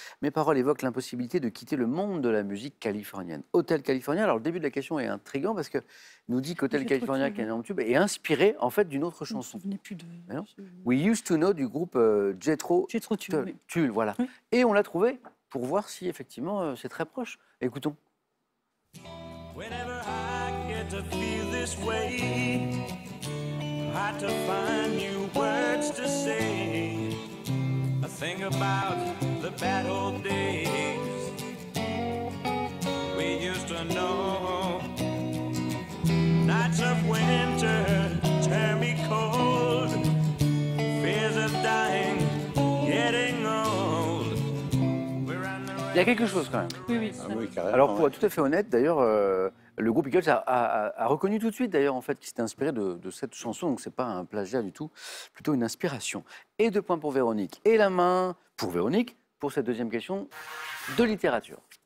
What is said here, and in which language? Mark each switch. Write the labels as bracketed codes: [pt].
[fr] Mes paroles évoquent l'impossibilité de quitter le monde de la musique californienne. Hotel California, alors le début de la question est intriguant parce qu'il nous dit qu'Hotel California, qui est un énorme tube, est inspiré en fait d'une autre chanson. Je ne me souvenais plus de... We Used to Know du groupe Jethro Tull. Tull, voilà. Et on l'a trouvé pour voir si effectivement c'est très proche. Écoutons. [en] Whenever I get to feel this way, hard to find new words to say. I think about the bad old days we used to know. Nights of winter turn me cold, fears of dying, getting old. [fr] Il y a quelque chose quand même. Oui, carrément. Alors pour être tout à fait honnête, d'ailleurs. Le groupe Eagles a reconnu tout de suite, d'ailleurs, en fait, qu'il s'était inspiré de cette chanson. Donc, ce n'est pas un plagiat du tout, plutôt une inspiration. Et 2 points pour Véronique. Et la main pour Véronique pour cette deuxième question de littérature.